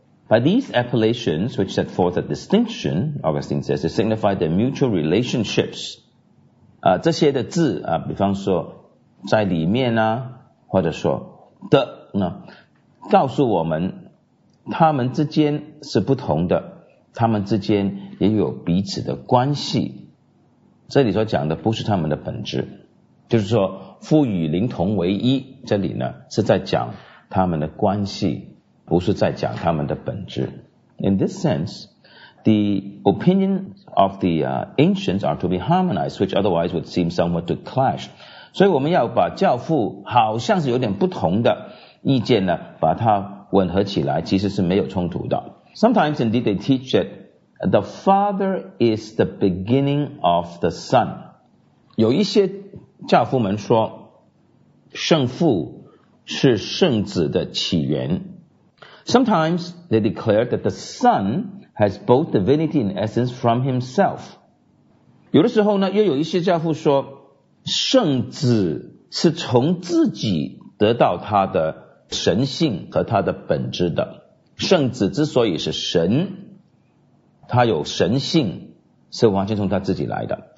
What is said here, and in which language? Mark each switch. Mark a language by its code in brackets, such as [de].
[en] By these appellations, which set forth a distinction, Augustine says, they signify the mutual relationships. [zh] 这些的字啊，比方说在里面啊，或者说的呢，告诉我们他们之间是不同的，他们之间也有彼此的关系。这里所讲的不是他们的本质，就是说父与灵同为一，这里呢是在讲他们的关系，不是在讲他们的本质。 [en] In this sense, the opinion of the ancients are to be harmonized, which otherwise would seem somewhat to clash. [zh] 所以我们要把教父好像是有点不同的意见呢，把它吻合起来，其实是没有冲突的。 [en] Sometimes indeed they teach that the father is the beginning of the son. [zh] 有一些教父们说圣父是圣子的起源。 [en] Sometimes they declare that the son has both divinity and essence from himself. [zh] 有的时候呢，又有一些教父说圣子是从自己得到他的神性和他的本质的。圣子之所以是神，他有神性，是完全从他自己来的。